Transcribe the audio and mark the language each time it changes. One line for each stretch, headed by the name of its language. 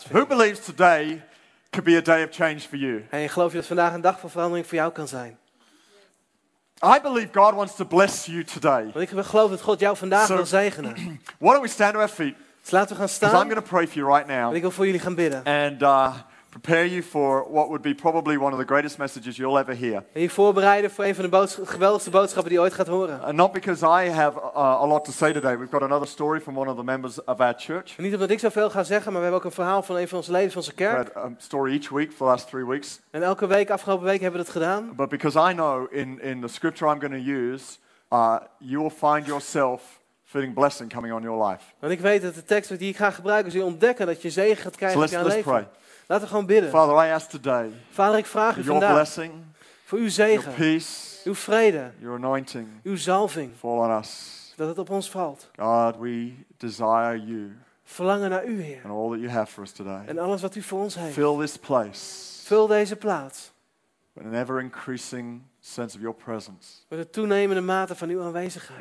English: Who believes today could be a day of change for you?
Dutch: En geloof je dat vandaag een dag van verandering voor jou kan zijn?
English: I believe God wants to bless you today.
Dutch: Want ik geloof dat God jou vandaag wil zegenen.
English: Why don't we stand to our feet?
Dutch: Dus laten we gaan staan.
English: I'm going to pray for you right now.
Dutch: Want ik wil voor jullie gaan bidden.
English: And prepare you for what would be probably one of the greatest messages you'll ever hear.
Dutch: En je voorbereiden voor een van de geweldigste boodschappen die je ooit gaat horen.
English: And not because I have a lot to say today. We've got another story from one of the members of our church.
Dutch: Niet omdat ik zoveel ga zeggen, maar we hebben ook een verhaal van een van onze leden van onze kerk.
English: We had a story each week for the last 3 weeks.
Dutch: En elke week, afgelopen week, hebben we dat gedaan.
English: But because I know in the scripture I'm going to use, you will find yourself feeling blessing coming on your life.
Dutch: Want ik weet dat de tekst die ik ga gebruiken, zul je ontdekken dat je zegen gaat krijgen in je leven.
English: Let's pray.
Dutch: Laten we gewoon bidden.
English: Father, I ask today,
Dutch: Vader, ik vraag u
English: your
Dutch: vandaag
English: blessing,
Dutch: voor uw zegen,
English: your peace,
Dutch: uw vrede,
English: your anointing,
Dutch: uw zalving,
English: fall on us.
Dutch: Dat het op ons valt.
English: God, we desire you,
Dutch: verlangen naar u, Heer,
English: and all that you have for us today.
Dutch: En alles wat u voor ons heeft.
English: Fill this place,
Dutch: vul deze plaats
English: with an ever-increasing sense of your presence.
Dutch: Met een toenemende mate van uw aanwezigheid.